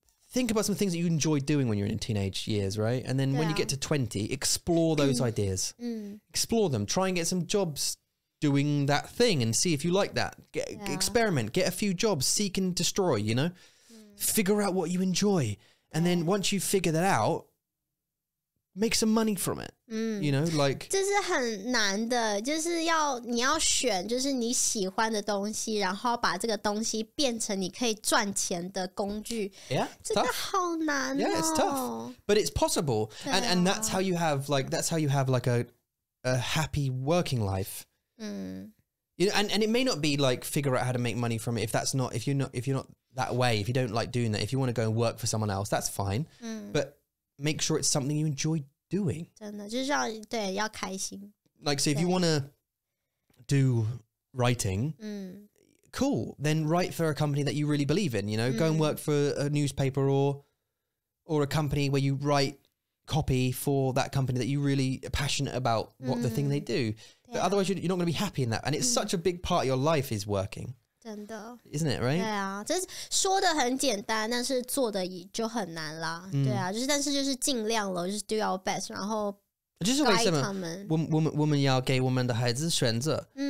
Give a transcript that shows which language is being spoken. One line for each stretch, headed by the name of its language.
English: Think about some things that you enjoy doing when you're in teenage years, right? And then when you get to 20, explore those ideas. Explore them. Try and get some jobs. Doing that thing and see if you like that. Experiment, get a few jobs, seek and destroy, you know? Figure out what you enjoy. And then once you figure that out, make some money from it. You know, like...
Chinese: 这是很难的，就是要你要选就是你喜欢的东西，然后把这个东西变成你可以赚钱的工具。
English: Yeah,
Chinese: 这个好难哦。
English: Yeah, it's tough. But it's possible. And that's how you have like, that's how you have like a happy working life. You know, and it may not be like figure out how to make money from it if you're not that way, if you don't like doing that, if you want to go and work for someone else, that's fine. But make sure it's something you enjoy doing.
Chinese: 真的就是要对要开心
English: Like, so if you want to do writing, cool, then write for a company that you really believe in, you know, go and work for a newspaper or a company where you write copy for that company that you really are passionate about what the thing they do. But otherwise, you're not going to be happy in that. And it's such a big part of your life is working.
Chinese: 真的。
English: Isn't it, right?
Chinese: 对啊，就是说的很简单，但是做的就很难啦。对啊，就是但是就是尽量了，就是 do our best, 然后 guide 他们。我们要给我们的孩子选择。